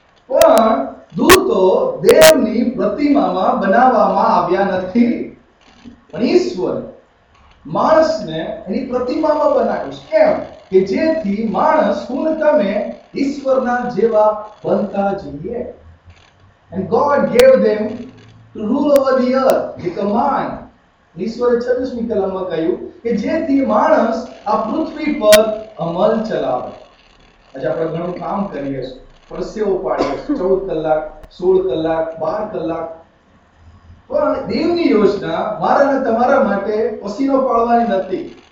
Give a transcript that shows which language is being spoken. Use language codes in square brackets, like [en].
[gu] પણ દૂતો દેવની પ્રતિમામાં બનાવવામાં આવ્યા નથી, પણ ઈશ્વર માણસને એની પ્રતિમામાં બનાવ્યું છે. કેમ? કે જેથી માણસ હું તમે ઈશ્વરના જેવા બનતા જઈએ. [en] And God gave them to rule over the earth, the command. [gu] ઈશ્વરે 26મી કલમમાં કહ્યું કે જેથી માણસ આ પૃથ્વી પર અમલ ચલાવે. આજે આપણે ઘણું કામ કરીએ છીએ, પરસેવો પાડીએ છીએ, 14 કલાક 16 કલાક 12 કલાક, પણ દેવની યોજના મારા અને તમારા માટે પસીનો પાડવાની નથી.